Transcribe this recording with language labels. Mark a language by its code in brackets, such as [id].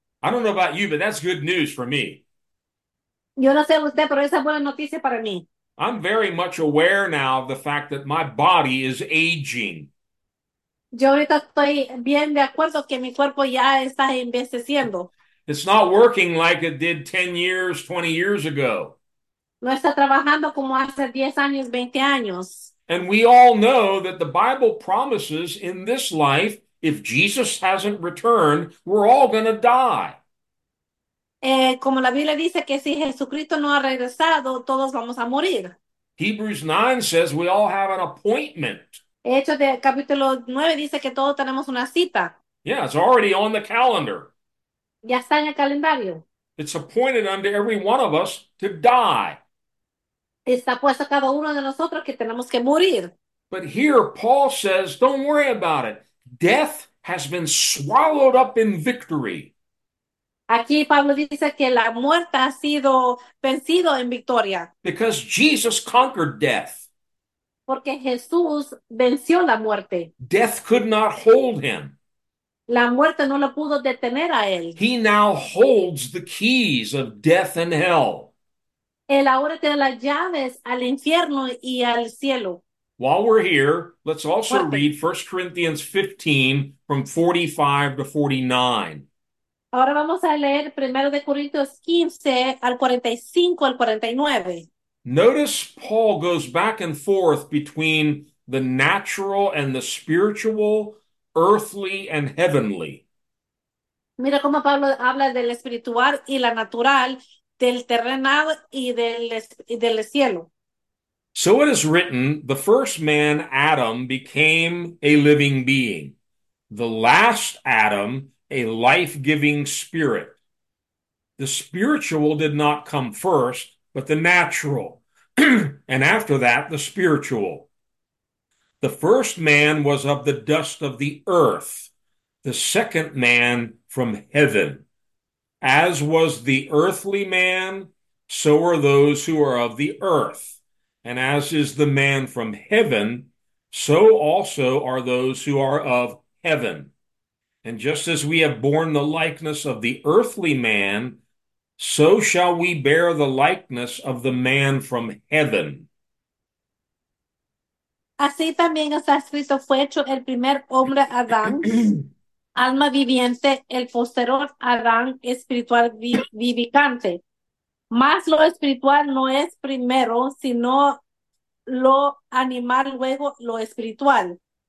[en] I don't know about you, but that's good news for me. [es] Yo no sé usted, pero esa es buena noticia para mí. [en] I'm very much aware now of the fact that my body is aging. [es] Yo ahorita estoy bien de acuerdo que mi cuerpo ya está envejeciendo. [en] It's not working like it did 10 years, 20 years ago. [es] No está trabajando como hace 10 años, 20 años. [en] And we all know that the Bible promises in this life, if Jesus hasn't returned, we're all going to die. [es] Como la Biblia dice que si Jesucristo no ha regresado, todos vamos a morir. [en] Hebrews 9 says we all have an appointment. [es] Hechos de capítulo 9 dice que todos tenemos una cita. [en] Yeah, it's already on the calendar. [es] Ya está en el calendario. [en] It's appointed unto every one of us to die. [es] Está puesto cada uno de nosotros que tenemos que morir. [en] But here Paul says, don't worry about it. Death has been swallowed up in victory. [es] Aquí Pablo dice que la muerte ha sido vencido en victoria. [en] Because Jesus conquered death. [es] Porque Jesús venció la muerte. [en] Death could not hold him. [es] La muerte no lo pudo detener a él. [en] He now holds the keys of death and hell. [es] Él ahora tiene las llaves al infierno y al cielo. [en] While we're here, let's also [es] Muerte. [en] read 1 Corinthians 15 from 45 to 49. [es] Ahora vamos a leer primero de Corintios 15 al 45 al 49. [en] Notice Paul goes back and forth between the natural and the spiritual, earthly and heavenly. [es] Mira cómo Pablo habla del espiritual y la natural, del terrenal y del cielo. [en] So it is written, the first man, Adam, became a living being. The last Adam, a life-giving spirit. The spiritual did not come first, but the natural. And after that, the spiritual. The first man was of the dust of the earth, the second man from heaven. As was the earthly man, so are those who are of the earth. And as is the man from heaven, so also are those who are of heaven. And just as we have borne the likeness of the earthly man, so shall we bear the likeness of the man from heaven. [es] Así también está escrito, fue hecho el primer hombre Adán, alma viviente, el posterior Adán, espiritual vi vivificante. Mas lo espiritual no es primero, sino lo animal, luego lo espiritual.